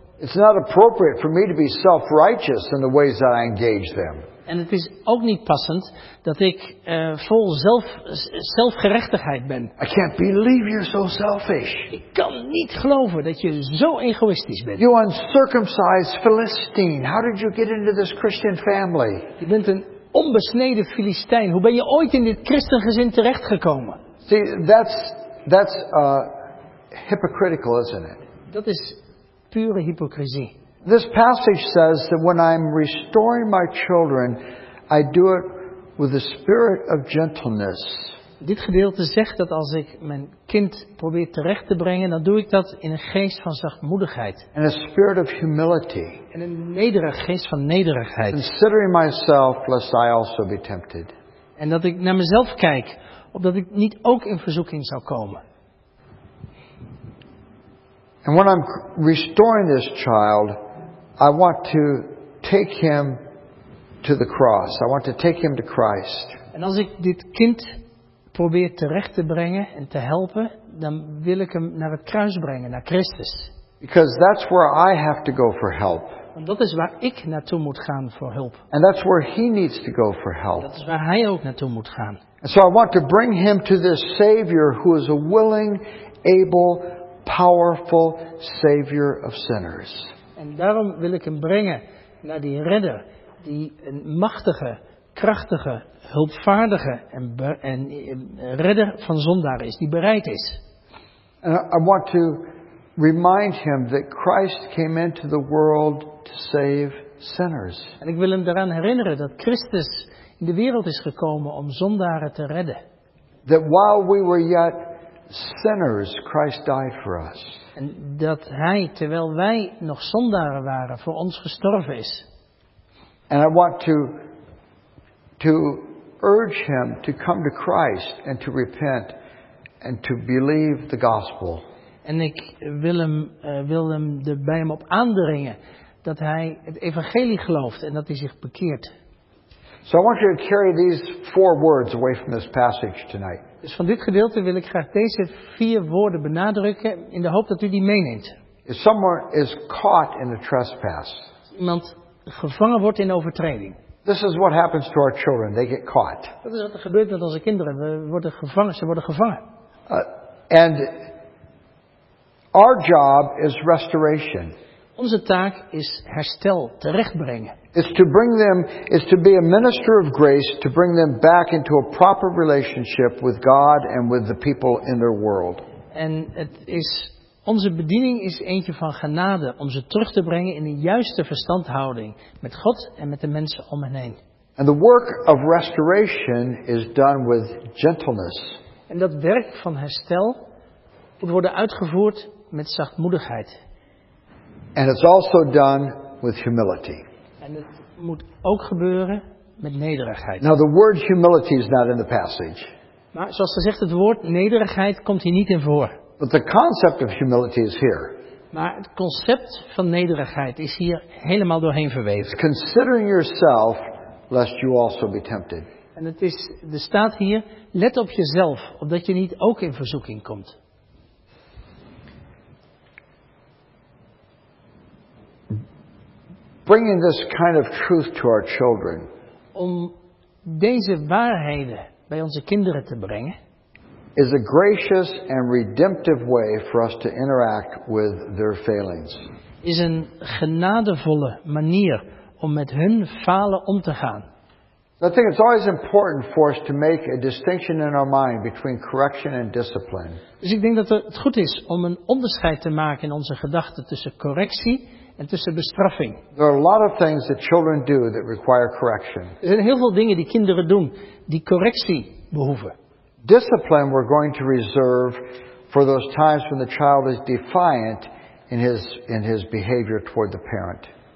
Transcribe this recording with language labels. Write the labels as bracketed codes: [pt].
[en] It's not appropriate for me to be self-righteous in the ways that I engage them. [nl] En het is ook niet passend dat ik vol zelfgerechtigheid ben. [en] I can't believe you're so selfish. [nl] Ik kan niet geloven dat je zo egoïstisch bent. [en] You uncircumcised Philistine. How did you get into this Christian family? [nl] Je bent een onbesneden Filistijn. Hoe ben je ooit in dit christengezin terechtgekomen? [en] See, that's hypocritical, isn't it? [nl] Dat is pure hypocrisie. [en] This passage says that when I'm restoring my children, I do it with the spirit of gentleness. [nl] Dit gedeelte zegt dat als ik mijn kind probeer terecht te brengen, dan doe ik dat in een geest van zachtmoedigheid. [en] And a spirit of humility. [nl] En een nederig geest van nederigheid. [en] Considering myself, lest I also be tempted. [nl] En dat ik naar mezelf kijk, opdat ik niet ook in verzoeking zou komen. [en] And when I'm restoring this child, I want to take him to the cross. I want to take him to Christ. [nl] En als ik dit kind probeer terecht te brengen en te helpen, dan wil ik hem naar het kruis brengen, naar Christus. [en] Because that's where I have to go for help. [nl] Want dat is waar ik naartoe moet gaan voor hulp. [en] And that's where he needs to go for help. [nl] Dat is waar hij ook naartoe moet gaan. [en] And so I want to bring him to this Savior who is a willing, able, powerful Savior of sinners. [nl] En daarom wil ik hem brengen naar die redder die een machtige, krachtige, hulpvaardige en redder van zondaren is, die bereid is. [en] And I want to remind him that Christ came into the world to save sinners. [nl] En ik wil hem eraan herinneren dat Christus in de wereld is gekomen om zondaren te redden. [en] That while we were yet sinners, Christ died for us. [nl] En dat hij, terwijl wij nog zondaren waren, voor ons gestorven is. [en] And I want to urge him to come to Christ and to repent and to believe the gospel. [nl] En ik wil hem er bij hem op aandringen dat hij het evangelie gelooft en dat hij zich bekeert. [en] So I want you to carry these four words away from this passage tonight. [nl] Dus van dit gedeelte wil ik graag deze vier woorden benadrukken in de hoop dat u die meeneemt. [en] If someone is caught in a trespass. [nl] Iemand gevangen wordt in overtreding. [en] This is what happens to our children. They get caught. [nl] Dat is wat er gebeurt met onze kinderen. Ze worden gevangen. [en] And our job is restoration. [nl] Onze taak is herstel, terechtbrengen. [en] Is to be a minister of grace to bring them back into a proper relationship with God and with the people in their world. [nl] En het is onze bediening is eentje van genade om ze terug te brengen in de juiste verstandhouding met God en met de mensen om hen heen. [en] And the work of restoration is done with gentleness. [nl] En dat werk van herstel moet worden uitgevoerd met zachtmoedigheid. [en] And it's also done with humility. [nl] En het moet ook gebeuren met nederigheid. [en] Now the word humility is not in the passage. [nl] Maar zoals gezegd, het woord nederigheid komt hier niet in voor. [en] But the concept of humility is here. [nl] Maar het concept van nederigheid is hier helemaal doorheen verweven. [en] Considering yourself, lest you also be tempted. [nl] En het is, er staat hier, let op jezelf, opdat je niet ook in verzoeking komt. [en] Bringing this kind of truth to our children. [nl] Om deze waarheden bij onze kinderen te brengen. [en] Is a gracious and redemptive way for us to interact with their failings. [nl] Is een genadevolle manier om met hun falen om te gaan. [en] I think it's always important for us to make a distinction in our mind between correction and discipline. [nl] Dus ik denk dat het goed is om een onderscheid te maken in onze gedachten tussen correctie en tussen bestraffing. [en] There are a lot of things that children do that require correction. [nl] Er zijn heel veel dingen die kinderen doen die correctie behoeven. [en] Discipline we're going to reserve for those times when the child is defiant in his behavior toward the parent.